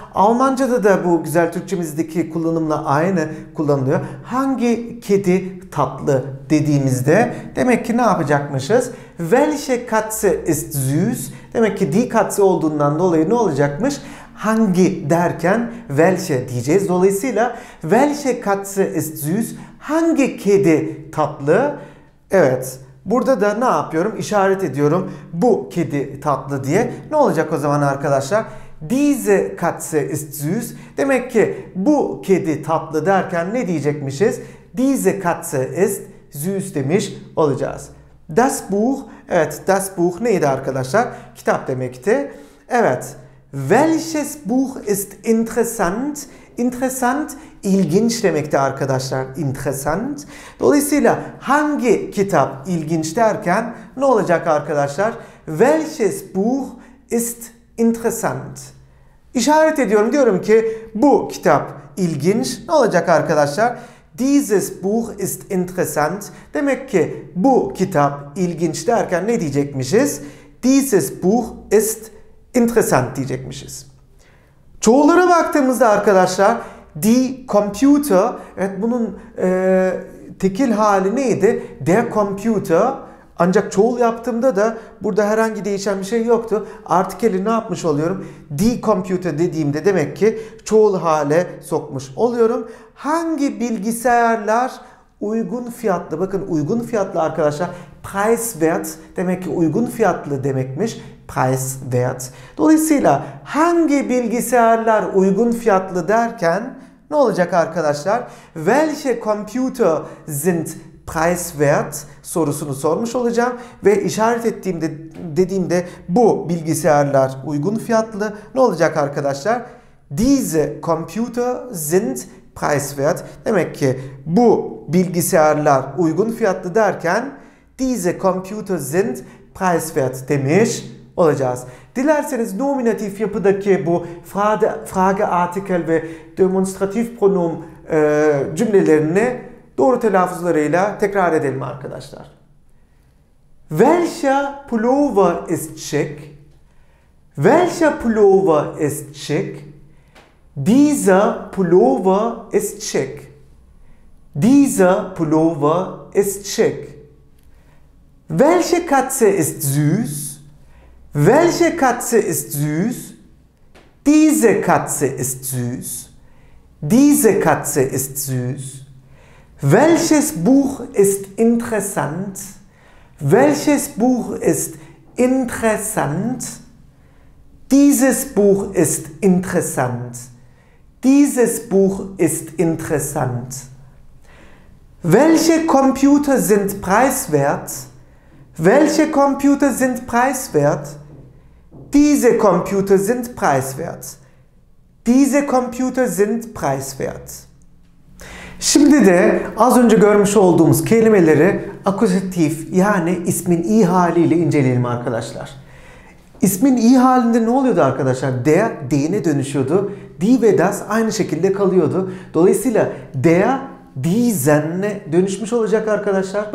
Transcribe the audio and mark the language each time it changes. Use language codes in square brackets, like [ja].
[tr] Almanca'da da bu güzel Türkçemizdeki kullanımla aynı kullanılıyor. Hangi kedi tatlı dediğimizde demek ki ne yapacakmışız? [de] Welche Katze ist süß? [tr] Demek ki die Katze olduğundan dolayı ne olacakmış? Hangi derken welche diyeceğiz. Dolayısıyla [de] welche Katze ist süß? [tr] Hangi kedi tatlı? Evet. Burada da ne yapıyorum? İşaret ediyorum. Bu kedi tatlı diye. Ne olacak o zaman arkadaşlar? [de] Diese Katze ist süß. [tr] Demek ki bu kedi tatlı derken ne diyecekmişiz? [de] Diese Katze ist süß [tr] demiş olacağız. [de] Das Buch. [tr] Evet, das Buch neydi arkadaşlar? Kitap demekti. Evet. [de] Welches Buch ist interessant? [tr] Interessant, ilginç demekti arkadaşlar. Interessant. Dolayısıyla hangi kitap ilginç derken ne olacak arkadaşlar? [de] Welches Buch ist interessant? [tr] İşaret ediyorum, diyorum ki bu kitap ilginç. Ne olacak arkadaşlar? [de] Dieses Buch ist interessant. [tr] Demek ki bu kitap ilginç derken ne diyecekmişiz? [de] Dieses Buch ist interessant [tr] diyecekmişiz. Çoğullara baktığımızda arkadaşlar die Computer, evet bunun tekil hali neydi? Der Computer. Ancak çoğul yaptığımda da burada herhangi değişen bir şey yoktu. Artikeli ne yapmış oluyorum? Die Computer dediğimde demek ki çoğul hale sokmuş oluyorum. Hangi bilgisayarlar uygun fiyatlı? Bakın uygun fiyatlı arkadaşlar. Preiswert demek ki uygun fiyatlı demekmiş. Preiswert. Dolayısıyla hangi bilgisayarlar uygun fiyatlı derken Ne olacak arkadaşlar? [de] Welche Computer sind preiswert [tr] sorusunu sormuş olacağım ve işaret ettiğimde dediğimde bu bilgisayarlar uygun fiyatlı. Ne olacak arkadaşlar? [de] Diese Computer sind preiswert. [tr] Demek ki bu bilgisayarlar uygun fiyatlı derken [de] diese Computer sind preiswert [tr] demiş olacağız. Dilerseniz nominatif yapıdaki bu frage artikel ve demonstratif pronom cümlelerini doğru telaffuzlarıyla tekrar edelim arkadaşlar. [de] Welcher Pullover ist schick? Welcher Pullover ist schick? Dieser Pullover ist schick. Dieser Pullover ist schick. Welche Katze ist süß? Welche Katze ist süß? Diese Katze ist süß. Diese Katze ist süß. Welches Buch ist interessant? Welches Buch ist interessant? Dieses Buch ist interessant. Dieses Buch ist interessant. Welche Computer sind preiswert? Welche Computer sind preiswert? Diese Computer sind preiswert. Diese Computer sind preiswert. [tr] Şimdi de az önce görmüş olduğumuz kelimeleri akuzatif yani ismin iyi haliyle inceleyelim arkadaşlar. İsmin iyi halinde ne oluyordu arkadaşlar? Der, die'ne dönüşüyordu. Die ve das aynı şekilde kalıyordu. Dolayısıyla der, diesen'e dönüşmüş olacak arkadaşlar.